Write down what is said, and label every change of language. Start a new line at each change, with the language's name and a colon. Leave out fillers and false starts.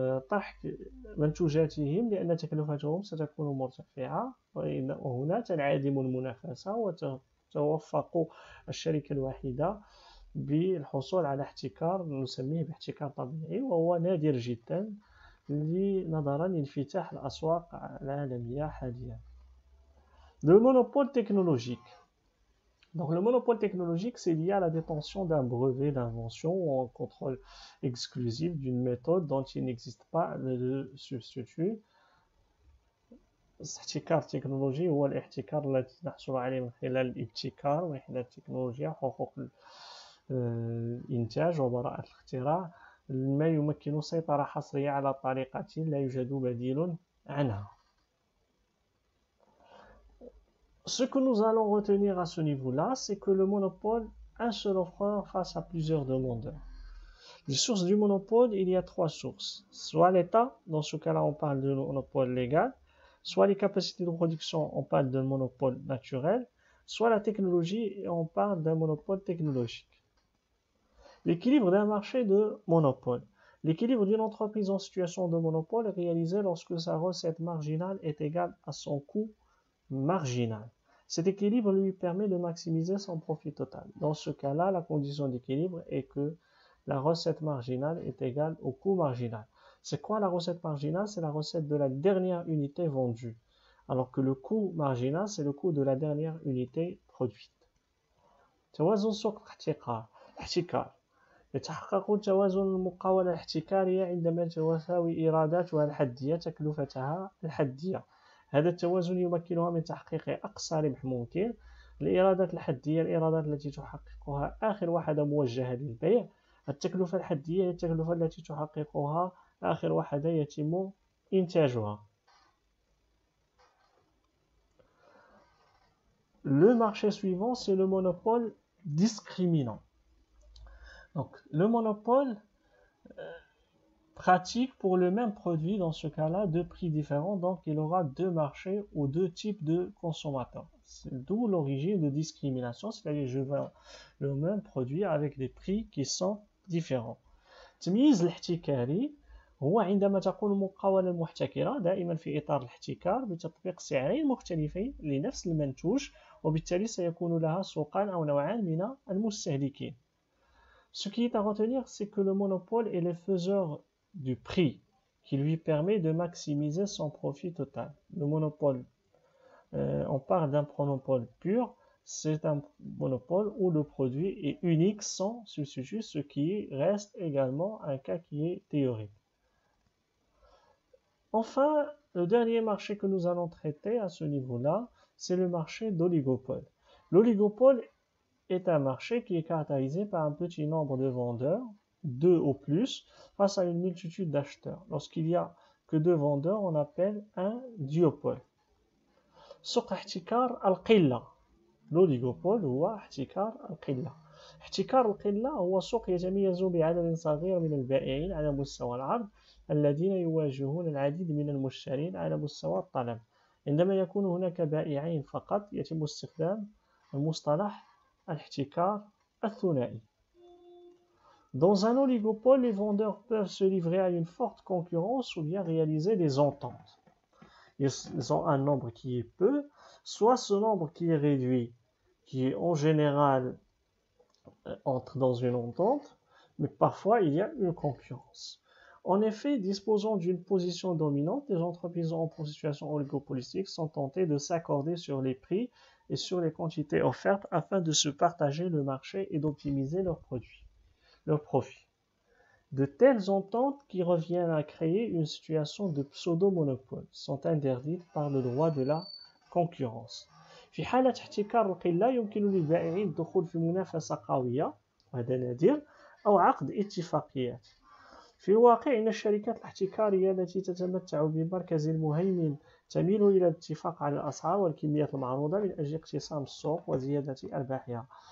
Arabic: طرح منتوجاتهم لأن تكلفتهم ستكون مرتفعة، وهنا تنعدم المنافسة وتتوفق الشركة الواحدة بالحصول على احتكار نسميه باحتكار طبيعي، وهو نادر جدا نظرا لانفتاح الأسواق العالمية حاليا.
French: Le monopole technologique. Donc, le monopole technologique, c'est lié à la détention d'un brevet d'invention ou un contrôle exclusif d'une méthode dont il n'existe pas de substitut.
Arabic: احتكار تكنولوجي هو الاحتكار الذي نحصل عليه من خلال الابتكار، من خلال التكنولوجيا، حقوق الإنتاج وبراءة الاختراع، ما يمكن السيطرة حصرية على طريقة لا يوجد بديل عنها.
French: Ce que nous allons retenir à ce niveau-là, c'est que le monopole, un seul offreur face à plusieurs demandeurs. Les sources du monopole, il y a trois sources. Soit l'État, dans ce cas-là, on parle de monopole légal. Soit les capacités de production, on parle de monopole naturel. Soit la technologie, et on parle d'un monopole technologique. L'équilibre d'un marché de monopole. L'équilibre d'une entreprise en situation de monopole est réalisé lorsque sa recette marginale est égale à son coût marginal. Cet équilibre lui permet de maximiser son profit total. Dans ce cas-là, la condition d'équilibre est que la recette marginale est égale au coût marginal. C'est quoi la recette marginale? C'est la recette de la dernière unité vendue. Alors que le coût marginal, c'est le coût de la dernière unité produite.
Arabic: توازن سوق الاحتكار. يتحقق توازن المقاولة الاحتكارية عندما تساوي إيراداتها الحدية تكلفتها الحدية. هذا التوازن يمكنها من تحقيق أقصى ربح ممكن. الإيرادات الحدية، الإيرادات التي تحققها آخر وحدة موجهة للبيع. التكلفة الحدية هي التكلفة التي تحققها آخر وحدة يتم إنتاجها.
French: Le marché suivant, c'est le monopole discriminant. Donc, le monopole pratique pour le même produit, dans ce cas-là, deux prix différents, donc il aura deux marchés ou deux types de consommateurs. C'est d'où l'origine de discrimination, c'est-à-dire je vends le même produit avec des prix qui sont différents.
Arabic: تمييز الاحتكاري هو عندما تقول المقاولة المحتكرة دائما في إطار الاحتكار بتطبيق سعرين مختلفين لنفس المنتوج وبالتالي سيكون لها سوقان أو نوعان من المستهلكين.
French: Ce qui est à retenir, c'est que le monopole est le faiseur du prix qui lui permet de maximiser son profit total. Le monopole, on parle d'un monopole pur, c'est un monopole où le produit est unique sans substitut, ce qui reste également un cas qui est théorique. Enfin, le dernier marché que nous allons traiter à ce niveau-là, c'est le marché d'oligopole. L'oligopole est un marché qui est caractérisé par un petit nombre de vendeurs, deux ou plus, face à une multitude d'acheteurs. Lorsqu'il n'y a que deux vendeurs, on appelle un duopole.
Arabic: سوق احتكار القلة. L'oligopole هو احتكار القلة. احتكار القلة هو سوق يتميز بعدد صغير من البائعين على مستوى العرض الذين يواجهون العديد من المشترين على مستوى الطلب. عندما يكون هناك بائعين فقط يتم استخدام المصطلح الاحتكار الثنائي.
French: Dans un oligopole, les vendeurs peuvent se livrer à une forte concurrence ou bien réaliser des ententes. Ils ont un nombre qui est peu, soit ce nombre qui est réduit, qui est en général entre dans une entente, mais parfois il y a une concurrence. En effet, disposant d'une position dominante, les entreprises en situation oligopolistique sont tentées de s'accorder sur les prix et sur les quantités offertes afin de se partager le marché et d'optimiser leurs produits. Leur profit. De telles ententes qui reviennent à créer une situation de pseudo-monopole sont interdites par le droit de la concurrence.
Arabic: في حالة احتكار القلة يمكن للبائعين الدخول في منافسة قوية وهذا نادر أو عقد اتفاقيات. في الواقع إن الشركات الاحتكارية التي تتمتع بمركز مهيمن تميل إلى الاتفاق على الأسعار والكميات المعروضة من أجل اقتسام السوق وزيادة أرباحها.